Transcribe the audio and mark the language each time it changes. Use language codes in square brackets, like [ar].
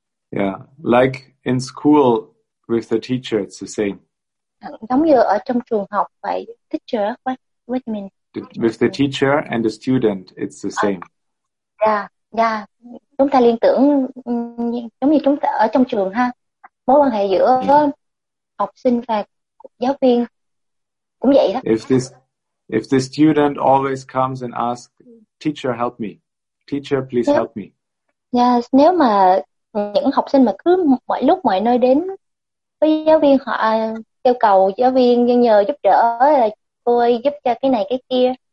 [en] Yeah, like in school with the teacher, it's the same. [vi] Giống như ở trong trường học vậy, [en] teacher with me. With the teacher and the student, it's the same. Yeah. [vi] Chúng ta liên tưởng giống như chúng ta ở trong trường ha, mối quan hệ giữa học sinh và giáo viên cũng vậy đó. [en] If the student always comes and asks, teacher help me, teacher please help me. [vi] Yes, nếu mà những học sinh mà cứ mọi lúc mọi nơi đến với giáo viên, họ kêu cầu giáo viên nhờ giúp đỡ, là cô ơi giúp cho cái này cái kia.